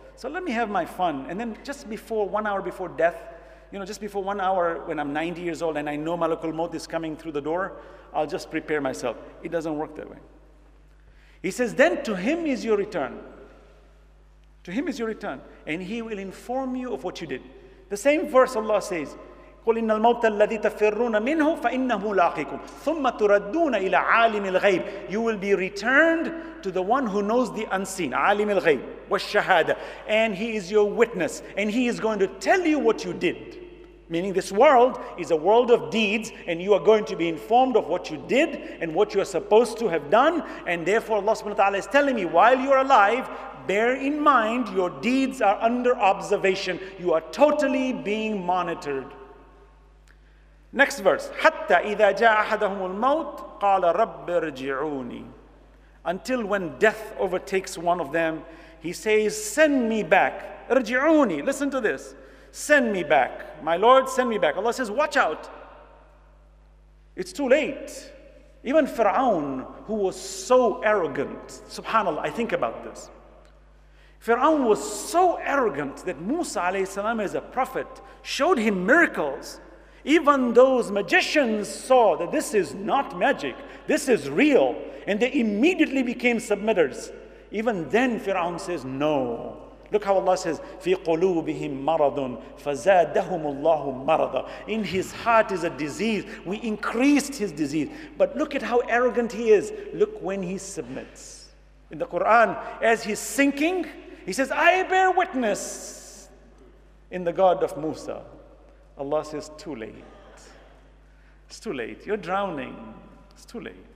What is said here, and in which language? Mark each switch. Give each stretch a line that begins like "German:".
English: So let me have my fun. And then just before, 1 hour before death, you know, just before 1 hour when I'm 90 years old and I know Malakul Maut is coming through the door, I'll just prepare myself. It doesn't work that way. He says, then to Him is your return. To Him is your return. And He will inform you of what you did. The same verse Allah says,
Arabic: قُلْ إِنَّ الْمَوْتَ الَّذِي تَفِرُّونَ مِنْهُ فَإِنَّهُ لَاقِكُمْ ثُمَّ تُرَدُّونَ إِلَىٰ عَالِمِ الْغَيْبِ.
English: You will be returned to the one who knows the unseen.
Arabic: عَالِمِ الْغَيْبِ وَالشَّهَادَ.
English: And He is your witness. And He is going to tell you what you did. Meaning this world is a world of deeds, and you are going to be informed of what you did and what you are supposed to have done. And therefore Allah subhanahu wa ta'ala is telling me, while you are alive, bear in mind your deeds are under observation. You are totally being monitored. Next verse,
Arabic: حتى إذا جاء أحدهم الموت قال رب ارجعوني.
English: Until when death overtakes one of them, he says, send me back.
Arabic: ارجعوني.
English: Listen to this. Send me back. My Lord, send me back. Allah says, watch out. It's too late. Even Fir'aun, who was so arrogant, subhanAllah, I think about this. Fir'aun was so arrogant that Musa alayhi salam, as a prophet, showed him miracles. Even those magicians saw that this is not magic, this is real, and they immediately became submitters. Even then, Fir'aun says, no. Look how Allah says,
Arabic: فِي قُلُوبِهِمْ مَرَضٌ فَزَادَهُمُ اللَّهُ مَرَضًا.
English: In his heart is a disease. We increased his disease. But look at how arrogant he is. Look when he submits. In the Quran, as he's sinking, he says, I bear witness in the God of Musa. Allah says, too late. It's too late. You're drowning. It's too late.